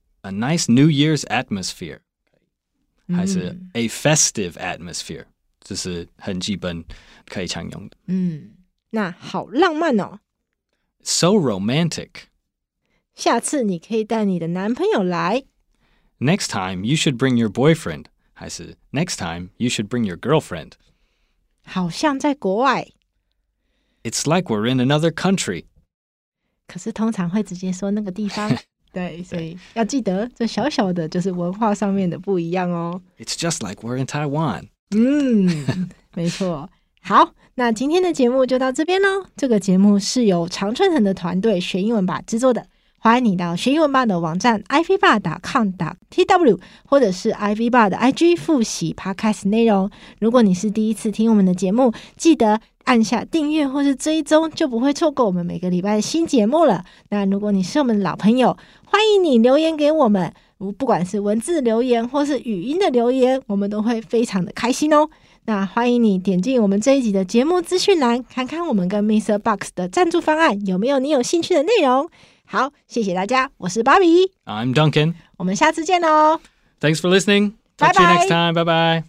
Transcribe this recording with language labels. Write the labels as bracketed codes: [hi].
[en] ，A nice New Year's atmosphere， [zh] 还是 [en] A festive atmosphere， [zh] 这是很基本可以常用的。嗯，那好浪漫哦 [en] ，So romantic， [zh] 下次你可以带你的男朋友来。 [en] Next time, you should bring your boyfriend. [zh] 还是 [en] Next time, you should bring your girlfriend. [zh] 好像在国外。 [en] It's like we're in another country. [zh] 可是通常会直接说那个地方。对，所以要记得这小小的就是文化上面的不一样哦。 [en] It's just like we're in Taiwan. [zh] 嗯，没错。好，那今天的节目就到这边咯。这个节目是由常春藤的团队学英文吧制作的。欢迎你到学英文吧的网站 ivbar.com.tw 或者是 ivbar 的 IG 复习 podcast 内容。如果你是第一次听我们的节目，记得按下订阅或是追踪，就不会错过我们每个礼拜的新节目了。那如果你是我们的老朋友，欢迎你留言给我们，不管是文字留言或是语音的留言，我们都会非常的开心哦。那欢迎你点进我们这一集的节目资讯栏，看看我们跟 Mr. Box 的赞助方案有没有你有兴趣的内容。好，谢谢大家，我是 Bobby， [en] I'm Duncan， [zh] 我们下次见哦。 [en] Thanks for listening. Talk to you next time. Bye bye.